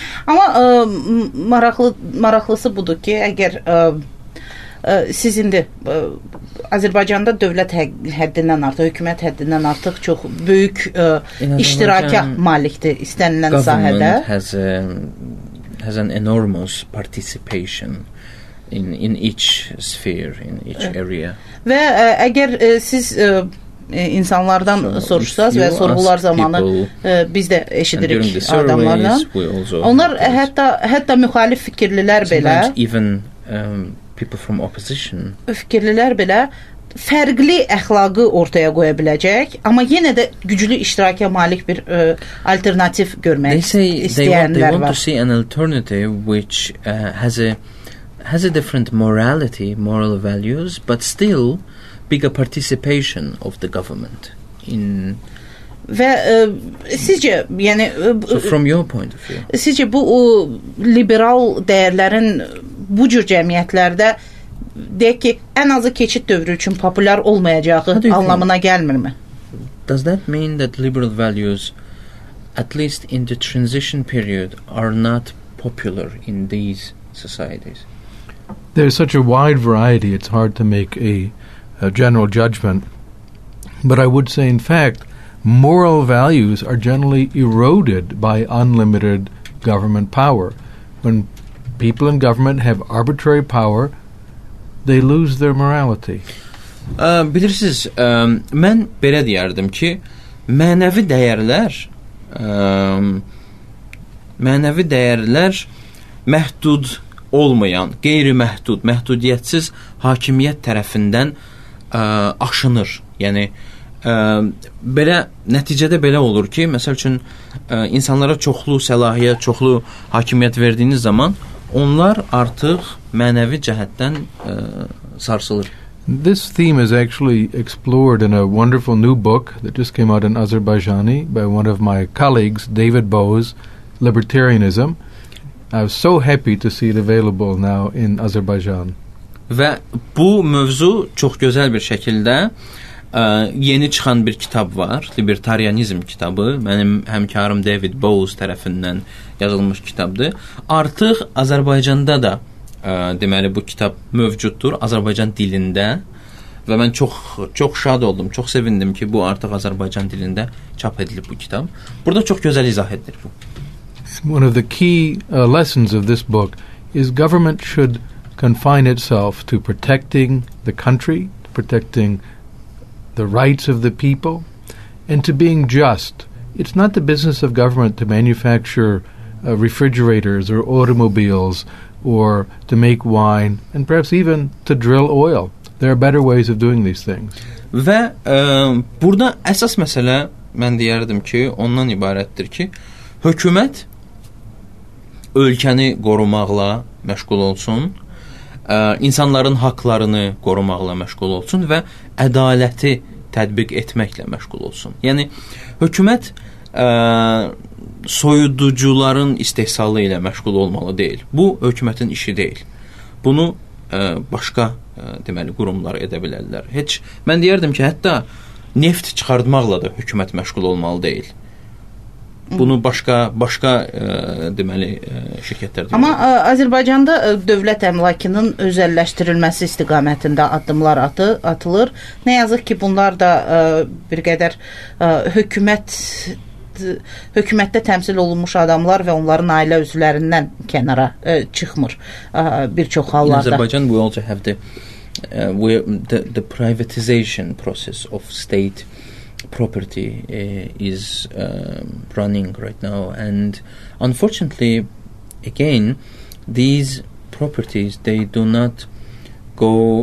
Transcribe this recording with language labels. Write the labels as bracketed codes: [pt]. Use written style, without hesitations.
[az] Amma maraqlısı budur ki, əgər siz indi Azərbaycanda dövlət həddindən artıq, hökumət həddindən artıq çox böyük iştiraka malikdir istənilən sahədə. [en] Government has an enormous participation in each sphere, in each area. [az] Və əgər siz insanlardan soruşsaz və sorğular zamanı biz də eşidirik adamlardan. Onlar hətta müxalif fikirlilər belə. [en] People from opposition. [az] Fikirlilər belə fərqli əxlaqı ortaya qoya biləcək, amma yenə də güclü iştiraka malik bir alternativ görmək istəyənlər var. [en] They want to see an alternative which has a different morality, moral values, but still bigger participation of the government in. [az] Və sizcə, yəni [en] so from your point of view, [az] sizcə bu liberal dəyərlərin bu cür cəmiyyətlərdə deyək ki, ən azı keçid dövrü üçün populyar olmayacağı anlamına gəlmirmi? [en] Does that mean that liberal values, at least in the transition period, are not popular in these societies? There's such a wide variety, it's hard to make a general judgment. But I would say, in fact, moral values are generally eroded by unlimited government power. When people in government have arbitrary power, they lose their morality. [az] Bilirsiniz, mən belə deyərdim ki, mənəvi dəyərlər məhdud olmayan, qeyri-məhdud, məhdudiyyətsiz hakimiyyət tərəfindən aşınır. Yəni, belə nəticədə belə olur ki, məsəl üçün, insanlara çoxlu səlahiyyət, çoxlu hakimiyyət verdiyiniz zaman, onlar artıq mənəvi cəhətdən sarsılır. [en] This theme is actually explored in a wonderful new book that just came out in Azerbaijani by one of my colleagues, David Bose, Libertarianism. I was so happy to see it available now in Azerbaijan. [az] Və bu mövzu çox gözəl bir şəkildə yeni çıxan bir kitab var, Libertarianizm kitabı. Mənim həmkarım David Bowes tərəfindən yazılmış kitabdır. Artıq Azərbaycanda da, deməli, bu kitab mövcuddur, Azərbaycan dilində. Və mən çox, çox şad oldum, çox sevindim ki, bu artıq Azərbaycan dilində çap edilib bu kitab. Burada çox gözəl izah edilir bu. [en] One of the key lessons of this book is government should confine itself to protecting the country, protecting the rights of the people, and to being just. It's not the business of government to manufacture refrigerators or automobiles or to make wine and perhaps even to drill oil. There are better ways of doing these things. [az] Və burada əsas məsələ mən deyərdim ki, ondan ibarətdir ki, hökumət ölkəni qorumaqla məşğul olsun, insanların haqlarını qorumaqla məşğul olsun və ədaləti tətbiq etməklə məşğul olsun. Yəni, hökumət soyuducuların istehsalı ilə məşğul olmalı deyil. Bu, hökumətin işi deyil. Bunu başqa deməli, qurumlar edə bilərlər. Heç, mən deyərdim ki, hətta neft çıxartmaqla da hökumət məşğul olmalı deyil. Bunu başqa deməli şirkətlər deməli. Amma Azərbaycanda dövlət əmlakının özəlləşdirilməsi istiqamətində addımlar atılır. Nə yazık ki, bunlar da bir qədər hökumətdə təmsil olunmuş adamlar və onların ailə üzvlərindən kənara çıxmır bir çox hallarda. [en] In Azerbaijan, we also have the privatization process of state property is running right now, and unfortunately, again, these properties, they do not go